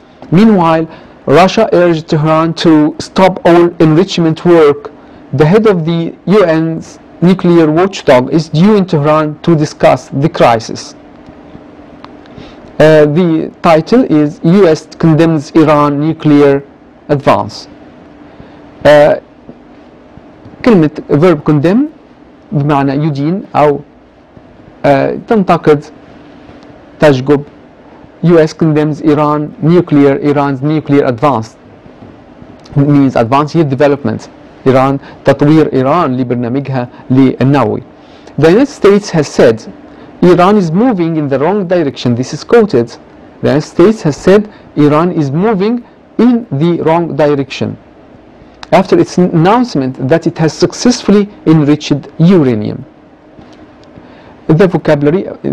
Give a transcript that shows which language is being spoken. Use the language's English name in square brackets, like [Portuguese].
[English] Meanwhile, Russia urged Tehran to stop all enrichment work. The head of the UN's nuclear watchdog is due in Tehran to discuss the crisis. The title is US condemns Iran nuclear advance. [Arabic] كلمة [English] verb condemn [Arabic] بمعنى يدين أو تنتقد تشجب. [English] US condemns Iran nuclear Iran's nuclear advance. It means advance here development. [Arabic] Iran تطوير إيران لبرنامجها للنووي. [English] The United States has said Iran is moving in the wrong direction. This is quoted. The United States has said Iran is moving in the wrong direction after its announcement that it has successfully enriched uranium. The vocabulary.